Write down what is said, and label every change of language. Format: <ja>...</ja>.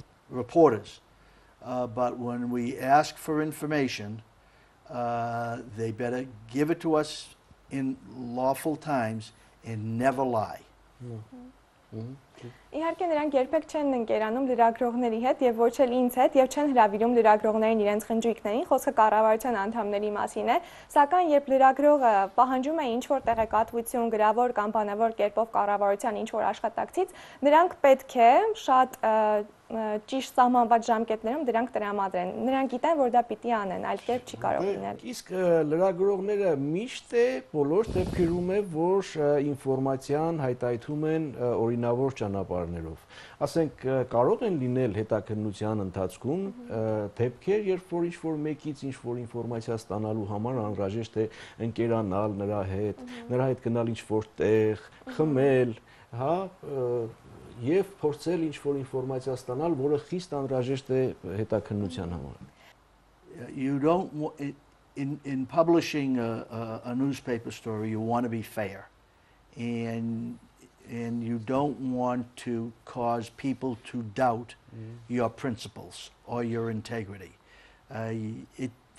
<en>Reporters. But when we ask for information, they better give it to us in lawful times and never lie.</en> <hy>Իհարկե նրանք երբեք չեն ընկերանում լրագրողների հետ եւ ոչ էլ ինձ հետ, եւ չեն հրավիրում լրագրողներին իրենց խնջույքներին, խոսքը կառավարության անդամների մասին է, սակայն երբ լրագրողը պահանջում է ինչ-որ տեղեկատվություն գրավոր կամ բանավոր կերպով կառավարության ինչ-որ աշխատակցից, նրանք պետք է շատ ճիշտ սահմանված ժամկետներում դրանք տրամադրեն։ Նրանք գիտեն, որ դա պիտի անեն, այլ կերպ չի կարող լինել։ Իսկ լրագրողները միշտ է բոլոր դեպքերում է, որ ինֆորմացիան հայտայթում են օրինավոր ճանապարհներով։ Ասենք կարող են լինել հետաքննության ընթացքում դեպքեր, երբ որ ինչ-որ մեկից ինչ-որ ինֆորմացիա ստանալու համար անհրաժեշտ է ընկերանալ նրա հետ, նրա հետ գնալ ինչ-որ տեղ, խմել, հա, և փորձել ինչ-որ ինֆորմացիա ստանալ, որը խիստ անհրաժեշտ է հետաքննության համար։</hy> <en>You don't in publishing a newspaper story, you want to be fair. And you don't want to cause people to doubt your principles or your integrity. It</en>